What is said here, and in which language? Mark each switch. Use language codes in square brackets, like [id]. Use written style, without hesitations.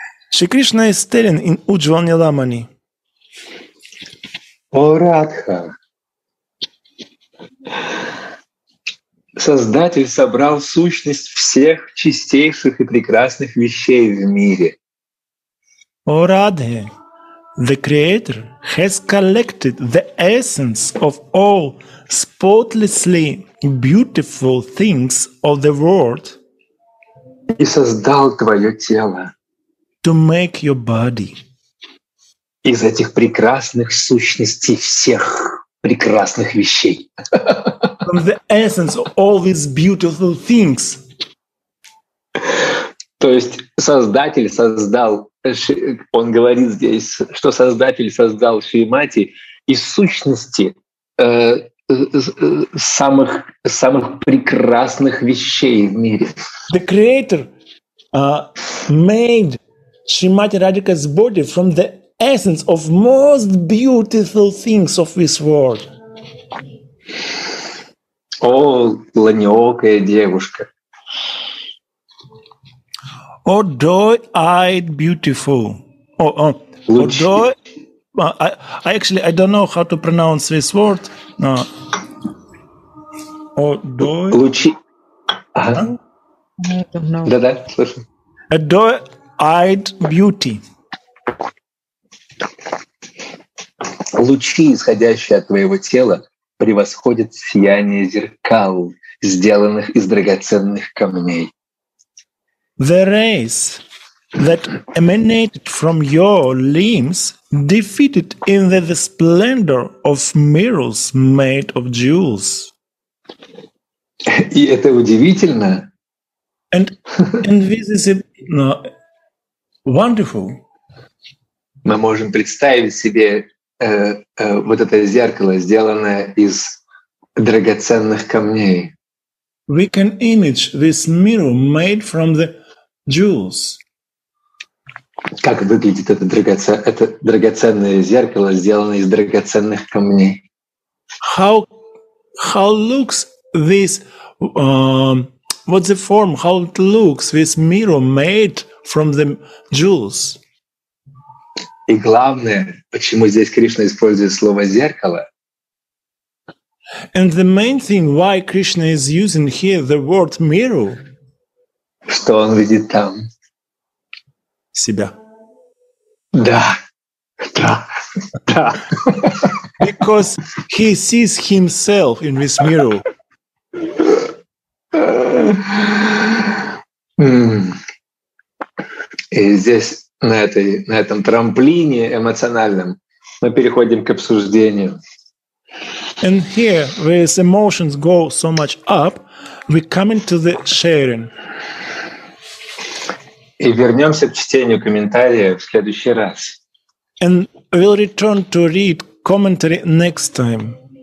[en] Шри Кришна is telling in Уджвалани Ламани. [ru] О, Радха! Создатель собрал сущность всех чистейших и прекрасных вещей в мире. О, Радха! [en] The Creator has collected the essence of all spotlessly beautiful things of the world. [ru] И создал твое тело. [en] To make your body. [ru] Из этих прекрасных сущностей всех прекрасных вещей. [en] From the essence of all these beautiful things. [ru] То есть Создатель создал, он говорит здесь, что Создатель создал Шримати из сущности самых, самых прекрасных вещей в мире. [en] The Creator made Shrimati Radhika's body from the essence of most beautiful things of this world. [ru] О, ланеокая девушка. [en] О, doe-eyed beautiful. I don't know how to pronounce this word. [ru] Лучи. Да-да, слышу. [en] Doe-eyed beauty. [ru] Лучи, исходящие от твоего тела, превосходят сияние зеркал, сделанных из драгоценных камней. [en] The rays that emanated from your limbs defeated in the splendor of mirrors made of jewels. [ru] И это удивительно. [en] And this is wonderful. [ru] Мы можем представить себе вот это зеркало, сделанное из драгоценных камней. [en] We can image this mirror made from the jewels. [ru] Как выглядит это драгоценное зеркало, сделанное из драгоценных камней? [en] How looks this what's the form? How it looks this mirror made from the jewels? [ru] И главное, почему здесь Кришна использует слово зеркало? [en] And the main thing why Krishna is using here the word mirror? [ru] Что он видит там? Себя. Да. Да. Да. [en] Because he sees himself in this mirror. [ru] И здесь на этом трамплине эмоциональном мы переходим к обсуждению. [en] And here, where emotions go so much up, we come into the sharing. [ru] И вернемся к чтению комментария в следующий раз. [en] And we'll return to read commentary next time.